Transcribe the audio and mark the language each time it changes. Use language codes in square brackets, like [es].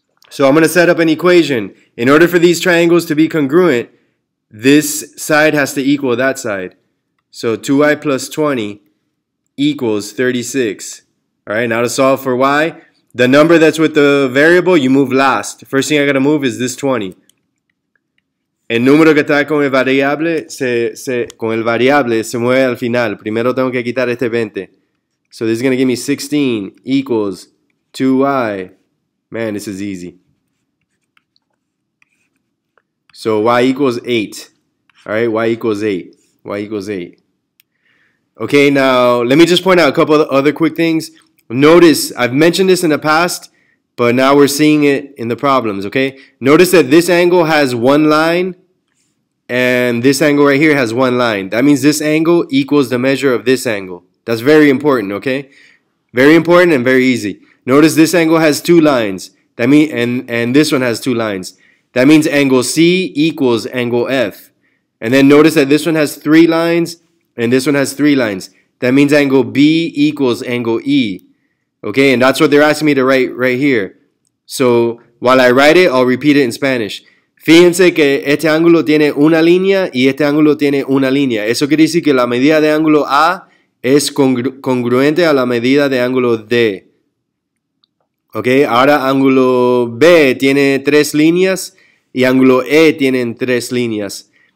[en] So I'm going to set up an equation. In order for these triangles to be congruent, this side has to equal that side. So 2y plus 20 equals 36. All right, now to solve for y, the number that's with the variable, you move last. First thing I got to move is this 20. [es] El número que está con el variable se mueve al final. Primero tengo que quitar este 20. [en] So this is going to give me 16 equals 2y. Man, this is easy. So y equals 8. All right, y equals 8. Y equals 8. Okay, now let me just point out a couple of other quick things. Notice, I've mentioned this in the past, but now we're seeing it in the problems, okay? Notice that this angle has one line, and this angle right here has one line. That means this angle equals the measure of this angle. That's very important, okay? Very important and very easy. Notice this angle has two lines. That mean, and this one has two lines. That means angle C equals angle F. And then notice that this one has three lines, and this one has three lines. That means angle B equals angle E. Okay, and that's what they're asking me to write right here. So while I write it, I'll repeat it in Spanish. [es] Fíjense que este ángulo tiene una línea y este ángulo tiene una línea. Eso quiere decir que la medida de ángulo A es congruente a la medida de ángulo D. Okay, ahora ángulo B tiene tres líneas y ángulo E tienen tres líneas.